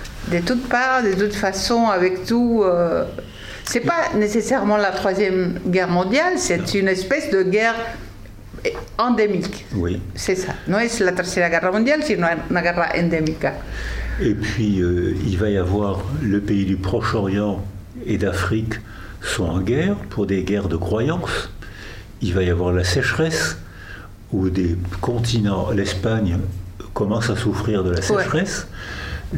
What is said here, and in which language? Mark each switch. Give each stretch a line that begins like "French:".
French: De toutes parts, de toutes façons, avec tout. C'est pas nécessairement la troisième guerre mondiale, c'est une espèce de guerre endémique. Oui. C'est ça.
Spanish: No es la tercera guerra mondiale, sino una guerra endémica.
French: Et puis, il va y avoir le pays du Proche-Orient et d'Afrique sont en guerre pour des guerres de croyances. Il va y avoir la sécheresse où des continents, l'Espagne commence à souffrir de la sécheresse. Ouais.